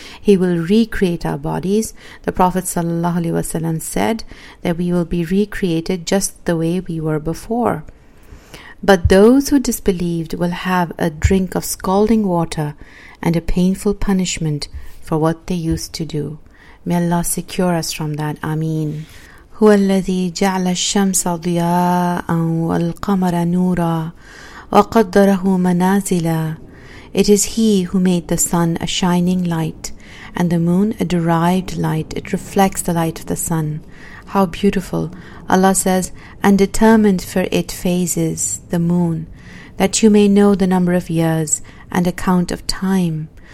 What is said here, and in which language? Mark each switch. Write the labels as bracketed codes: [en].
[en] He will recreate our bodies. The Prophet ﷺ said that we will be recreated just the way we were before. But those who disbelieved will have a drink of scalding water and a painful punishment for what they used to do. May Allah secure us from that. Ameen. [ar] هو الذي جعل الشمس ضياء والقمر نورا وقدره منازلا. [en] It is He who made the sun a shining light and the moon a derived light. It reflects the light of the sun. How beautiful. Allah says, and determined for it phases, the moon, that you may know the number of years and account of time.